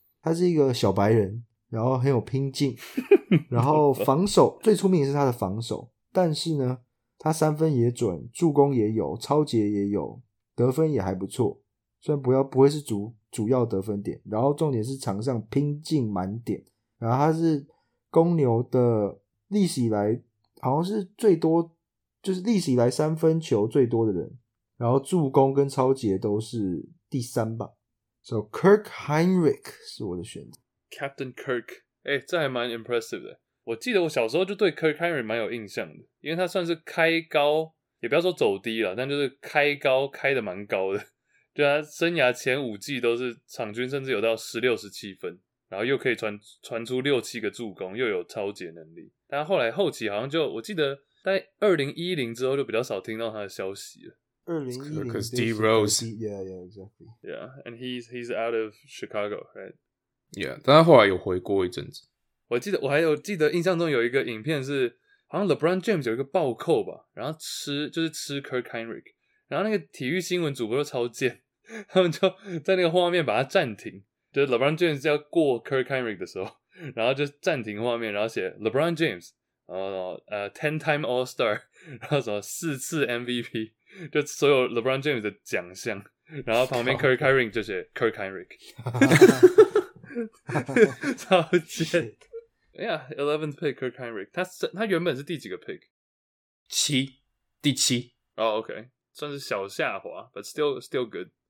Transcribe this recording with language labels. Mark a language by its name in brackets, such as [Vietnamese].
[Chinese] 他是一个小白人，然后很有拼劲，然后防守最出名的是他的防守，但是呢，他三分也准，助攻也有，超截也有，得分也还不错，虽然不会是主要得分点，然后重点是场上拼劲满点，然后他是公牛的历史以来好像是最多，就是历史以来三分球最多的人，然后助攻跟超截都是第三吧， So Kirk Heinrich 是我的选择 Captain Kirk 欸这还蛮 impressive 的我记得我小时候就对 Kirk Heinrich 蛮有印象的因为他算是开高也不要说走低啦但就是开高开的蛮高的就他生涯前五季都是场均甚至有到16-17分然后又可以传出6-7个助攻又有超解能力但后来后期好像就我记得在2010之后就比较少听到他的消息了 2010 [English] Because D. Rose And he's out of Chicago right? [Chinese] Yeah 但他后来有回过一阵子我还有记得印象中有一个影片是好像 LeBron James 有一个暴扣吧然后吃 Kirk Heinrich 然后那个体育新闻主播就超贱他们就在那个画面把他暂停就是 LeBron James 要过 Kirk Heinrich 的时候然后就暂停画面然后写 LeBron James 10-time All-Star 然后什么4-time MVP就所有 LeBron James 的奖项，然后旁边 Kirk Heinrich 就写 Kirk Heinrich， 超贱。 [English] Yeah, 11th pick Kirk Heinrich， [Chinese] 他原本是第几个 pick？第七。 [English] Oh, okay， [Chinese] 算是小下滑 [English] ，but still good.